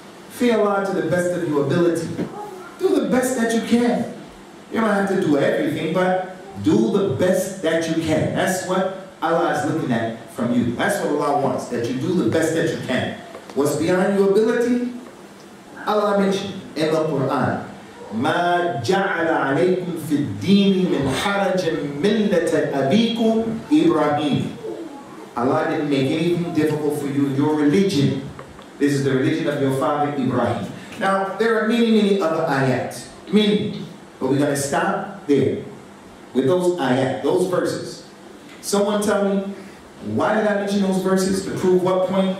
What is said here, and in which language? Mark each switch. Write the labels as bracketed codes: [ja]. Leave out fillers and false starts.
[en] Fear Allah to the best of your ability. Do the best that you can. You don't have to do everything, but do the best that you can. That's what Allah is looking at from you. That's what Allah wants, that you do the best that you can. What's beyond your ability? Allah mentioned in the Quran, [ar] مَا جَعَلَ عَلَيْكُمْ فِي الدِّينِ مِنْ حَرَجٍ مِلَّةَ أَبِيكُمْ إِبْرَاهِيمِ. [en] Allah didn't make anything difficult for you in your religion. This is the religion of your father, Ibrahim. Now, there are many, many other ayat. Many. But we're going to stop there with those ayat, those verses. Someone tell me, why did I mention those verses? To prove what point?